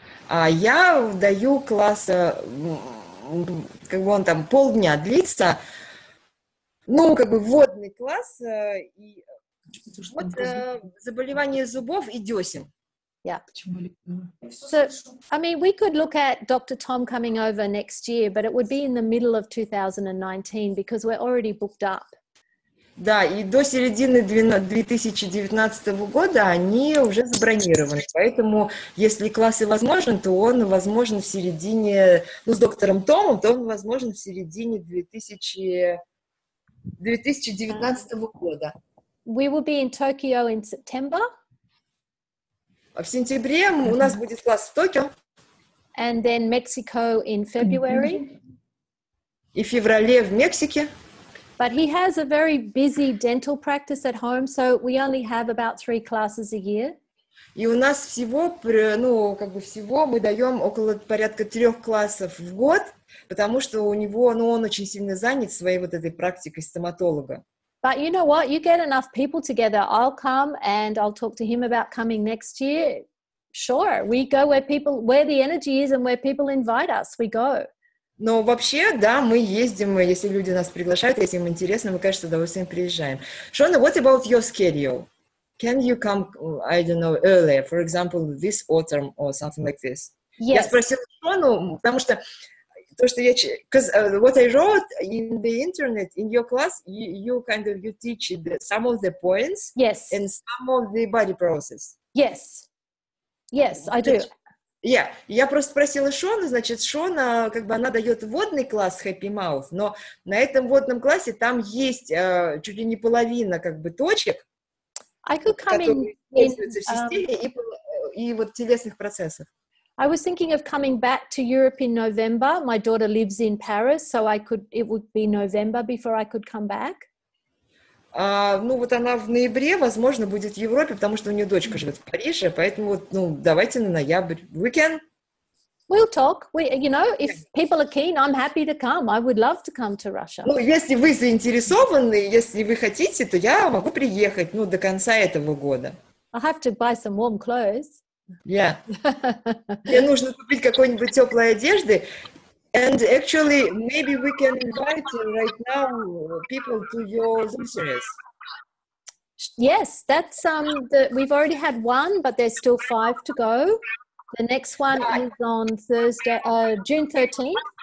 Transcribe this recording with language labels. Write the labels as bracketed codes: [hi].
[ru] Я даю класс, как бы он там полдня длится, ну, как бы вводный класс, и вот заболевание зубов и десен. [en] Yeah. So, I mean, we could look at Dr. Tom coming over next year, but it would be in the middle of 2019 because we're already booked up. [ru] Да, и до середины 2019 года они уже забронированы. Поэтому, если класс и возможен, то он возможен в середине, ну, с доктором Томом, то он возможен в середине 2019 года. [en] We will be in Tokyo in September. [ru] В сентябре у нас будет класс в Токио. [en] And then Mexico in February. [ru] И в феврале в Мексике. [en] But he has a very busy dental practice at home, so we only have about 3 classes a year. [ru] И у нас всего, ну, как бы всего мы даем около порядка 3 классов в год, потому что у него, ну, он очень сильно занят своей вот этой практикой стоматолога. [en] But you know what? You get enough people together. I'll come and I'll talk to him about coming next year. Sure, we go where people, where the energy is and where people invite us, we go. [ru] Но вообще, да, мы ездим, если люди нас приглашают, если им интересно, мы, конечно, с удовольствием приезжаем. [en] Шона, what about your schedule? Can you come, I don't know, earlier, for example, this autumn or something like this? Yes. [ru] Я спросила Шону, потому что то, что я... [en] what I wrote in the internet, in your class, you teach some of the points. Yes. And some of the body process. Yes. Yes, I do. Yeah. [ru] Я просто спросила Шону, значит, Шона, как бы она дает вводный класс Happy Mouth, но на этом вводном классе там есть чуть ли не половина как бы точек, [en] I could come [ru] которые используются в системе и вот телесных процессов. [en] I was thinking of coming back to Europe in November. My daughter lives in Paris, so I could, it would be November before I could come back. [ru] Ну вот она в ноябре, возможно, будет в Европе, потому что у нее дочка живет в Париже, поэтому вот, ну, давайте на ноябрь. [en] We can. We'll talk. We, you know, if people are keen, I'm happy to come. I would love to come to Russia. [ru] Ну, если вы заинтересованы, если вы хотите, то я могу приехать, ну, до конца этого года. [en] I'll have to buy some warm clothes. Yeah. [ru] Мне нужно купить какой-нибудь теплой одежды. [en] And actually, maybe we can invite right now people to your Zoom series. Yes, that's the we've already had one, but there's still 5 to go. The next one is on Thursday, June 13th.